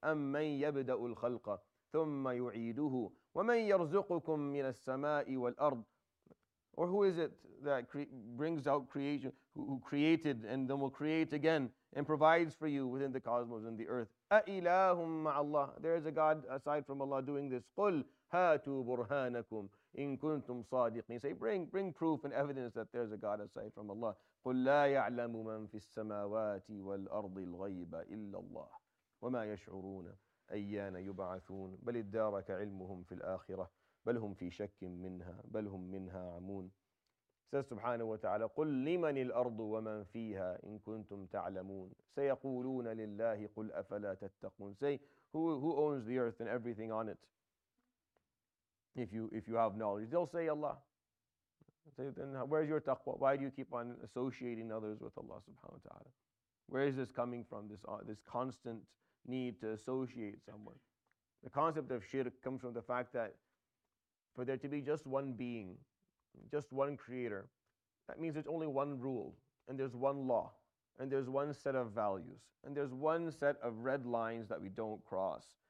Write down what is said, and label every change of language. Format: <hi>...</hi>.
<ar>أَمَّنْ يَبْدَأُ الْخَلْقَ ثُمَّ يُعِيدُهُ وَمَنْ يَرْزُقُكُمْ مِنَ السَّمَاءِ وَالْأَرْضِ</ar> <en>Or who is it that brings out creation, who created and then will create again and provides for you within the cosmos and the earth?</en> <ar>أَإِلَاهُمْ مَعَ اللَّهِ</ar> <en>There is a God aside from Allah doing this.</en> <ar>قُلْ هَاتُوا بُرْهَانَكُمْ إِن كُنْتُمْ صَادِقِينَ</ar> <en>Say, bring proof and evidence that there is a God aside from Allah.</en> <ar>قُلْ لَا يَعْلَمُ مَنْ فِي السَّمَاوَاتِ وَالْأَرْضِ الْغَيْبَ إِلَّا اللَّهِ وَمَا يَشْعُرُونَ أَيَّانَ يُبْعَثُونَ بَلِ ادَّارَكَ عِلْمُهُمْ فِي الْآخِرَةِ بَلْ هُمْ فِي شَكٍّ مِّنْهَا بَلْ هُمْ مِّنْهَا عَمُونَ</ar> <en>Says subhanahu wa ta'ala,</en> <ar>قُلْ لِمَنِ الْأَرْضُ وَمَنْ فِيهَا إِن كُنْتُمْ تَعْلَمُونَ سَيَقُولُونَ لِلَّهِ قُلْ أَفَلَا تَتَّقُونَ</ar> <en>Say, who owns the earth and everything on it? If you have knowledge, they'll say Allah. Say, then where's your taqwa? Why do you keep on associating others with Allah subhanahu wa ta'ala? Where is this coming from, this constant need to associate someone? The concept of shirk comes from the fact that for there to be just one being, just one creator, that means there's only one rule, and there's one law, and there's one set of values, and there's one set of red lines that we don't cross.</en>